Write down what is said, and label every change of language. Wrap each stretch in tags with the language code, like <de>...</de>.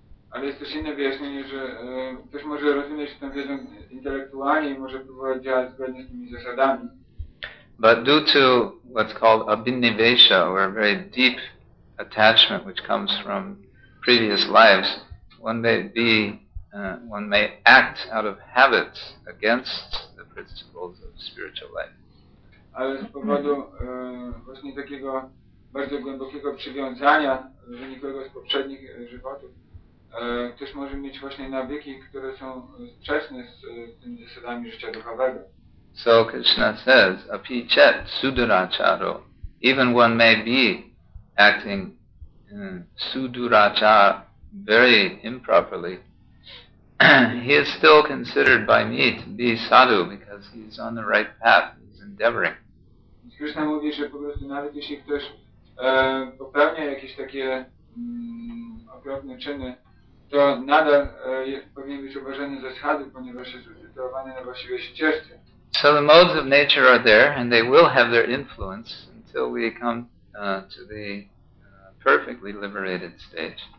<pl>Ale jest też inne wyjaśnienie, że ktoś może rozumieć tę wiedzę intelektualnie i może próbować działać zgodnie z tymi zasadami.</pl> <en>But due to what's called abhinivesha, or a very deep attachment which comes from previous lives, one may act out of habit against the principles of spiritual life.</en> <pl>Ale z powodu właśnie takiego bardzo głębokiego przywiązania wynikłego z poprzednich żywotów, ktoś może mieć właśnie nawyki, które są sprzeczne z tymi zasadami życia duchowego.</pl> <en>So Krishna says,</en> <sa>api chet sudaracharo.</sa> <en>Even one may be acting sudaracharo very improperly, he is still considered by me to be sadhu because he's on the right path, he's endeavoring.</en> <pl>Krishna mówi, że po prostu nawet jeśli ktoś popełnia jakieś takie okropne czyny, to nadal powinien być uważany za sadhu, ponieważ jest usytuowany na właściwej ścieżce.</pl> <en>So the modes of nature are there and they will have their influence until we come to the perfectly liberated stage.</en>